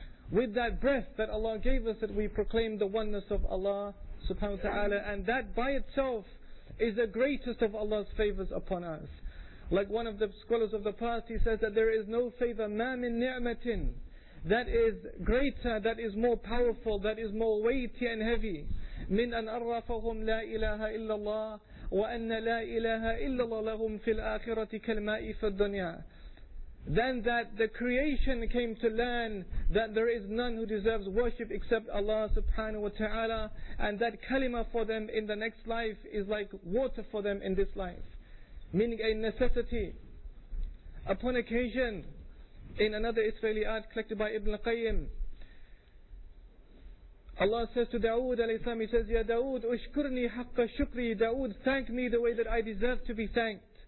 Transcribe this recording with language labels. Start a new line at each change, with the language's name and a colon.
English: With that breath that Allah gave us, that we proclaim the oneness of Allah subhanahu wa ta'ala. And that by itself is the greatest of Allah's favors upon us. Like one of the scholars of the past, he says that there is no favor,
Arabic: ma min ni'matin,
English: that is greater, that is more powerful, that is more weighty and heavy.
Arabic: Min an arrafahum la ilaha illallah, وَأَنَّ لَا إِلَهَ إِلَّا اللَّهُ لَهُمْ فِي الْآخِرَةِ كَالْمَاءِ فِي الدُّنْيَا.
English: Then that the creation came to learn that there is none who deserves worship except Allah subhanahu wa ta'ala, and that kalima for them in the next life is like water for them in this life, meaning a necessity. Upon occasion, in another Israeli art collected by Ibn al-Qayyim, Allah says to Dawood alayhi salam, He says, Ya Dawood,
Arabic: ushkurni haqqa shukri,
English: Dawood, thank me the way that I deserve to be thanked.